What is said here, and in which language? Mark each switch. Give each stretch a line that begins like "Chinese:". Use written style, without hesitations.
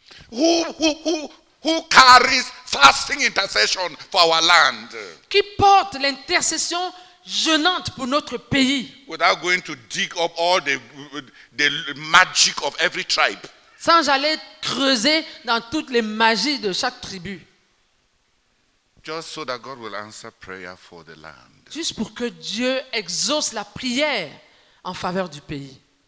English: Who carries fasting intercession for our land?
French: Qui porte l'intercession jeûnante pour notre pays?
English: Without going to dig up all the magic of every tribe.
French: Sans aller creuser dans toutes les magies de chaque tribu.
English: Just so that God will answer prayer for the land.
French: Juste pour que Dieu exauce la prière en faveur du pays.